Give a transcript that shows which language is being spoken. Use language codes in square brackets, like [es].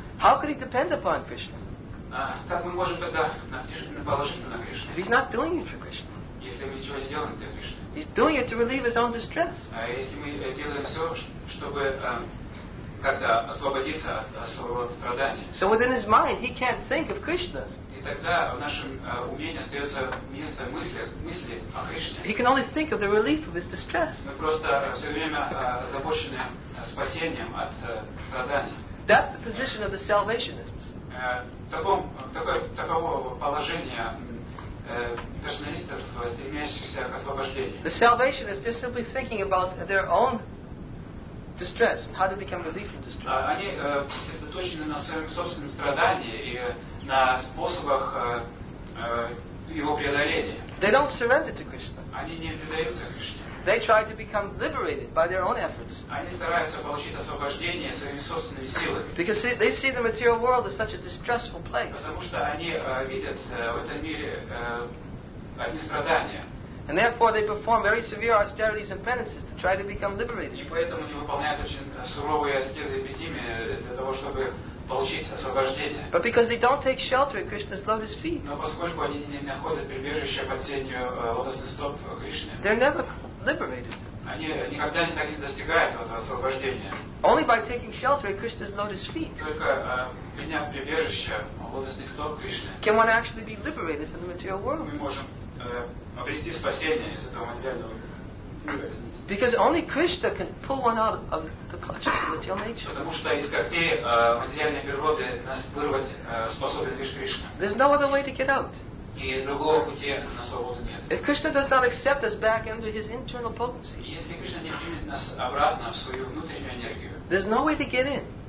[en] How could he depend upon Krishna? [ru] Как мы можем тогда положиться на Кришну? [en] He's not doing it for Krishna. [ru] Если мы ничего не делаем для Кришны. [en] He's doing it to relieve his own distress. [ru] А если мы делаем все, чтобы как-то освободиться от своего страдания? [en] So within his mind, he can't think of Krishna. He can only think of the relief of his distress. That's the position of the salvationists. [ru] персоналистов, стремящихся к освобождению. [en] The salvation is just simply thinking about their own distress and how to become relieved from distress. [ru] Они сосредоточены на своем собственном страдании и на способах его преодоления. [en] They don't surrender to Krishna. [ru] Они не предаются Кришне. [en] They try to become liberated by their own efforts. [ru] Они стараются получить освобождение своими собственными силами. [en] Because they see the material world as such a distressful place. [ru] Потому что они видят в этом мире одни страдания. [en] And therefore they perform very severe austerities and penances to try to become liberated. [ru] И поэтому они выполняют очень суровые аскезы и петимии для того, чтобы получить освобождение. [en] But because they don't take shelter at Krishna's lotus feet. [ru] Но поскольку они не находят прибежище под сенью лотосных стоп Кришны. [en] They're never liberated. [ru] Они никогда не так не достигают этого освобождения. [en] Only by taking shelter at Krishna's lotus feet. [ru] Только приняв прибежище лотосных стоп Кришны. [en] Can one actually be liberated from the material world? [ru] Мы можем обрести спасение из этого материального мира. [en] Because only Krishna can pull one out of the clutches of material nature. [ru] Потому что из когтей материальной природы нас вырвать способен лишь Кришна. [en] There's no other way to get out. [ru] И другого пути на свободу нет. [en] If Krishna does not accept us back into his internal potency. [ru] Если Кришна не примет нас обратно в свою внутреннюю энергию. [en] There's no way to get in.